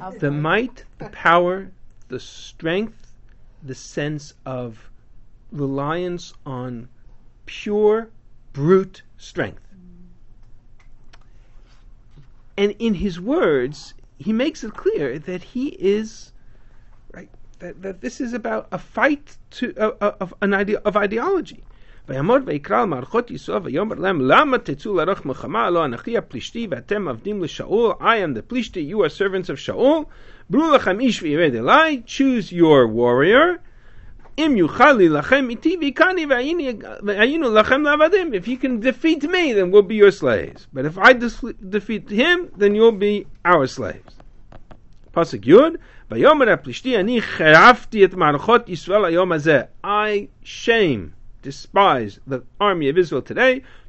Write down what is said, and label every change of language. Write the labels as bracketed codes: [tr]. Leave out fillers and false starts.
[en] The might, the power, the strength, the sense of reliance on pure brute strength. And in his words, he makes it clear that he is right, that this is about a fight to of ideology. [he] ויאמר ויקרא מארחות ישוע ויאמר להם למה תצאו לארח מלחמה לא אנכי הפלישתי ואתם עבדים לשאול. [en] I am the Plishti, you are servants of Shaul. [he] ברו לכם איש וירד אליי, [en] choose your warrior. [he] אם יוכל להילחם איתי ויקני והיינו לכם לעבדים. [en] If you can defeat me, then we'll be your slaves. But if I defeat him, then you'll be our slaves. [he] פסוק יוד. ויאמר הפלישתי אני חרפתי את מארחות ישראל היום הזה. [en] I shame, despise the army of Israel today.